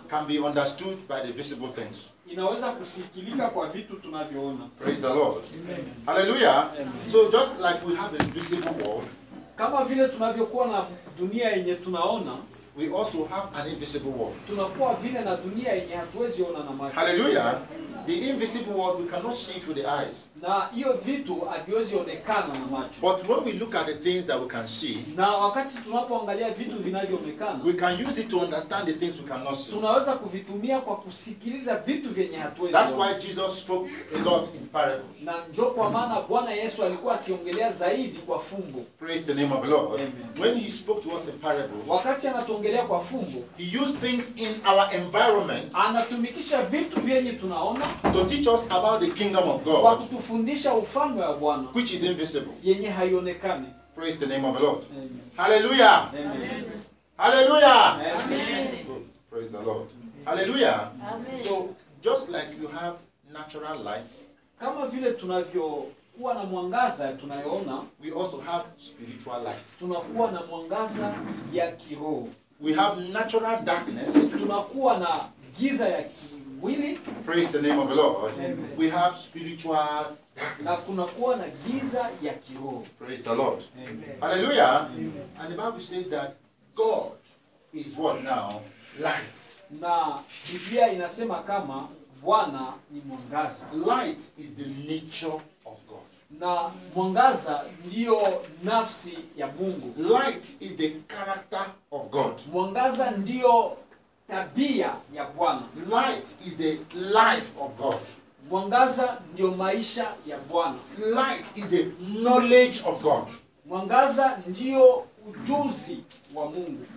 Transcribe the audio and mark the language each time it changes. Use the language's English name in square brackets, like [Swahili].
[English] can be understood by the visible things. [Swahili] Inaweza kusikilika kwa vitu tunavyoona. [English] Praise the Lord. Amen. Hallelujah. Amen. So just like we have a visible world, [Swahili] kama vile tunavyokuwa na dunia yenye tunaona, [English] we also have an invisible world. [Swahili] Tunakuwa vile na dunia yenye hatuwezi ona na macho. [English] Hallelujah. The invisible world we cannot see through the eyes. [Swahili] Na hiyo vitu haviwezi onekana na macho. [English] But when we look at the things that we can see, [Swahili] na wakati tunapoangalia vitu vinavyoonekana, [English] we can use it to understand the things we cannot see. [Swahili] Tunaweza kuvitumia kwa kusikiliza vitu vyenye hatuwezi. [English] That's why Jesus spoke a lot in parables. [Swahili] Na ndio kwa maana Bwana Yesu alikuwa akiongelea zaidi kwa fumbo. [English] Praise the name of the Lord. Amen. When he spoke to us in parables, [Swahili] wakati anatuongelea kwa fumbo, [English] he used things in our environment. [Swahili] Anatumikisha vitu vyenye tunaona [English] to teach us about the kingdom of God, [Swahili] kwa kutufundisha ufalme wa Bwana, [English] which is invisible, [Swahili] yenye haionekani. [English] Praise the name of the Lord. Amen. Hallelujah. Amen. Hallelujah. Amen. Good. Praise the Lord. Hallelujah. Amen. So just like you have natural light, [Swahili] kama vile tunavyokuwa na mwangaza tunayoona, [English] we also have spiritual light. [Swahili] Tunakuwa na mwangaza ya kiroho. [English] We have natural darkness. [Swahili] Tunakuwa na giza ya kiroho. [English] Praise the name of the Lord. Amen. We have spiritual darkness. [Swahili] Na kunakuwa na giza ya kiroho. [English] Praise the Lord. Amen. Hallelujah. Amen. And the Bible says that God is what now? Light. [Swahili] Na Biblia inasema kama Bwana ni mwangaza. [English] Light is the nature of God. [Swahili] Na mwangaza ndio nafsi ya Mungu. [English] Light is the character of God. [Swahili] Mwangaza ndio tabia ya Bwana. [English] Light is the life of God. [Swahili] Mwangaza ndio maisha ya Bwana. [English] Light is the knowledge of God. [Swahili] Mwangaza ndio ujuzi wa Mungu.